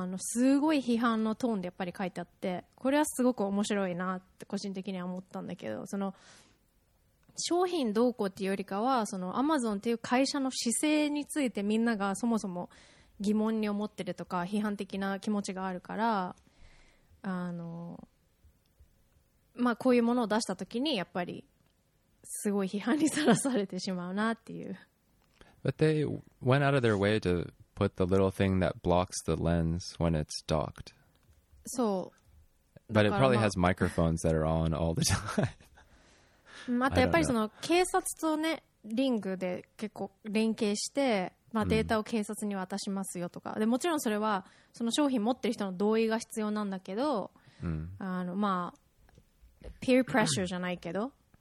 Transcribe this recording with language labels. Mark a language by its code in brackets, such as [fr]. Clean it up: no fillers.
[ja] すごい批判のトーンでやっぱり書いてあってこれはすごく面白いなって個人的には思ったんだけどその商品どうこうっていうよりかはそのアマゾンっていう会社の姿勢についてみんながそもそも疑問に思ってるとか批判的な気持ちがあるからまあこういうものを出した時にやっぱりすごい批判にさらされてしまうなっていう [en] But they went out of their way to put the little thing that blocks the lens when it's docked [ja] そう [en] But it probably has microphones that are on all the time [ja] またやっぱりその警察とねリングで結構連携して、まあ、データを警察に渡しますよとか、うん、でもちろんそれはその商品持ってる人の同意が必要なんだけど、うん、まあピアプレッシャーじゃないけど、